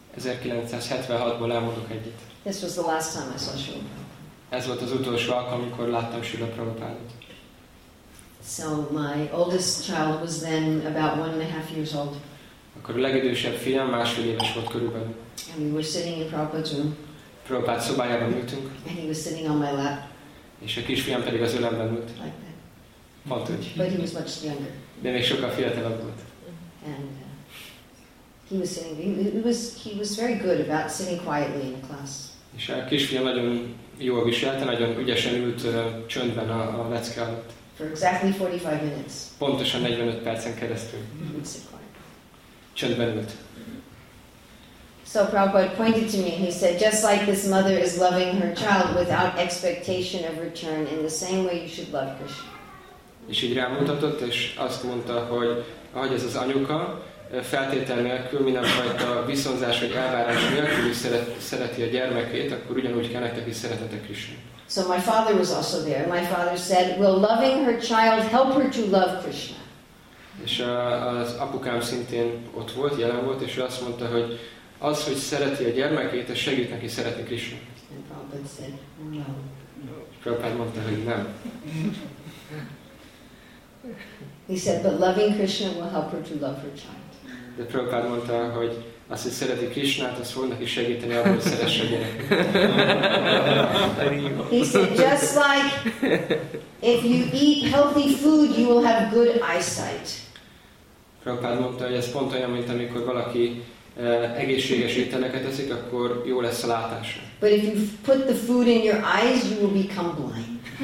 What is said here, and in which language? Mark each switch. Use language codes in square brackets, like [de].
[en] This was the last time I saw Srila. [hu] Ez volt az utolsó alkalom, amikor láttam Srila Prabhupádot. [en] So my oldest child was then about 1.5 years old. [hu] Akkor a legidősebb fiam másfél éves volt körülbelül. [en] And we were sitting in Prabhupada's room. [hu] Prabhupád szobájában ültünk. [en] And he was sitting on my lap. [hu] És a kisfiam pedig az ölemben ült. [en] Like that. [hu] Pont úgy. [en] But he was much younger. [hu] De még sokkal fiatalabb volt. [en] And he was sitting. He was very good about sitting quietly in the class. [hu] És a kisfiam nagyon jól viselte, nagyon ügyesen ült csöndben a lecke alatt. [en] For exactly 45 minutes. [hu] Pontosan 45 percen keresztül. Csöndben ült. [en] So Prabhupada pointed to me, he said, just like this mother is loving her child without expectation of return, in the same way you should love Krishna. [hu] És így rámutatott, és azt mondta, hogy ahogy ez az anyuka, feltétel nélkül, mindenfajta viszonzás vagy elvárás nélkül is szereti a gyermekét, akkor ugyanúgy kell nektek is szeretetek is. [en] So my father was also there. My father said, will loving her child help her to love Krishna? [hu] És az apukám szintén ott volt, jelen volt, és ő azt mondta, hogy az, hogy szereti a gyermekét, ez segít neki szeretni Krishna. [en] And Prabhupada said, no. [hu] Prabhupada mondta, hogy nem. [en] He said, but loving Krishna will help her to love her child. [hu] De Prabhupada mondta, hogy azt, hogy szereti Krishnát, az fog neki segíteni, abban, hogy szeresse a gyerek. [en] He said, just like if you eat healthy food, you will have good eyesight. [hu] Prabhupada mondta, hogy ez pont olyan, mint amikor valaki egészséges ételeket eszik, akkor jó lesz a látása. [en] But if you put the food in your eyes, you will become blind.